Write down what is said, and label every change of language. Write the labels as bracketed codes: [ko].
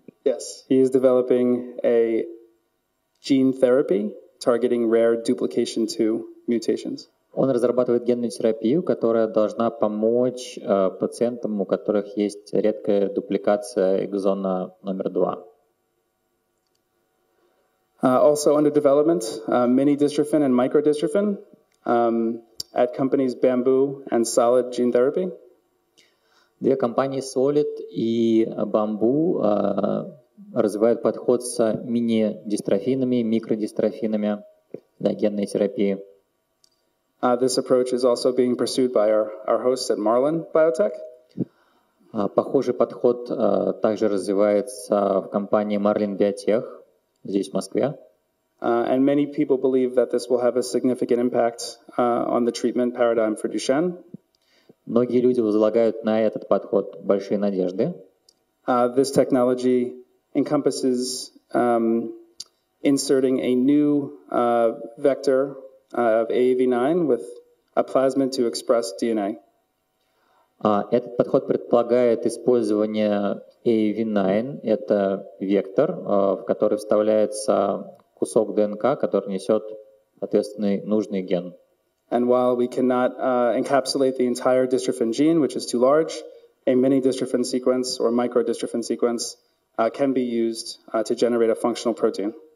[en] Yes. He is developing a gene therapy targeting rare duplication 2 mutations. [ru] Он разрабатывает генную терапию, которая должна помочь пациентам, у которых есть редкая дупликация экзона номер 2. [en] Also under development, mini-dystrophin and micro-dystrophin at companies Bamboo and Solid Gene Therapy. [ru] Две компании Solid и Bamboo развивают подход с мини-дистрофинами, микродистрофинами для генной терапии. [en] This approach is also being pursued by our hosts at Marlin Biotech. [ru] Похожий подход также развивается в компании Marlin Biotech здесь, в Москве. [en] And many people believe that this will have a significant impact on the treatment paradigm for Duchenne. [ru] Многие люди возлагают на этот подход большие надежды. [en] This technology encompasses inserting a new vector of AAV9 with a plasmid to express DNA. [ru] Этот подход предполагает использование AAV9, это вектор, в который вставляется кусок ДНК, который несет ответственный нужный ген. [en] And while we cannot encapsulate the entire dystrophin gene, which is too large, a mini-dystrophin sequence or micro-dystrophin sequence can be used to generate a functional protein.